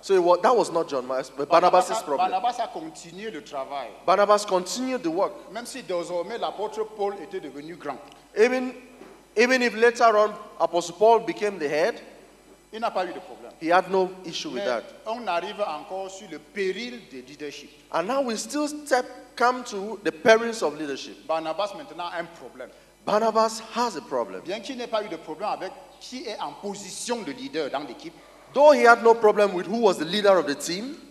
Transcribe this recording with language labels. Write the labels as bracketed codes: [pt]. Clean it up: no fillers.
[en] So that was not John-Marc, but Barnabas's problem. [fr] Barnabas a continué le travail. [en] Barnabas continued the work. [fr] Même si désormais l'apôtre Paul était devenu grand. [en] Even if later on Apostle Paul became the head, [fr] il n'a pas eu de problème. [en] He had no issue with that. [fr] On arrive encore sur le péril de leadership. [en] And now we still come to the perils of leadership. [fr] Barnabas maintenant a un problème. [en] Barnabas has a problem. [fr] Bien qu'il n'ait pas eu de problème avec qui est en position de leader dans l'équipe. [en] Though he had no problem with who was the leader of the team.